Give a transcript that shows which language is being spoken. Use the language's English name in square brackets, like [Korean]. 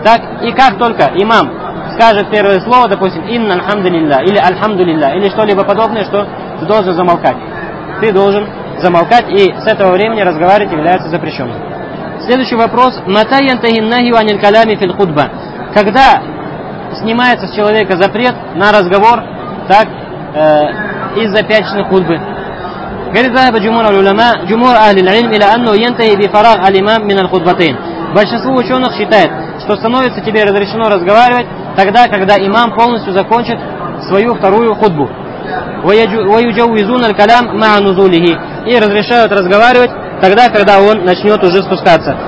[Russian] Так, и как только имам скажет первое слово, допустим, [Arabic] «Инна альхамду лилля» [Russian] или [Arabic] «Альхамду лилля», [Russian] или что-либо подобное, что ты должен замолкать. Ты должен замолкать, и с этого времени разговаривать является запрещенным. Следующий вопрос. [Arabic] «Мата янтагин нахью анин калями фил хутба». [Russian] Когда снимается с человека запрет на разговор, так, из-за пятничной хутбы? [Arabic] Говорит, ذهب جمهور العلماء, جمهور أهل العلم إلى أنه ينتهي بفراغ الإمام من الخطبتين. [Russian] Большинство ученых считает, что становится тебе разрешено разговаривать тогда, когда имам полностью закончит свою вторую хутбу. [Arabic] ويجوزون الكلام مع نزوله, [Russian] и разрешают разговаривать тогда, когда он начнет уже спускаться.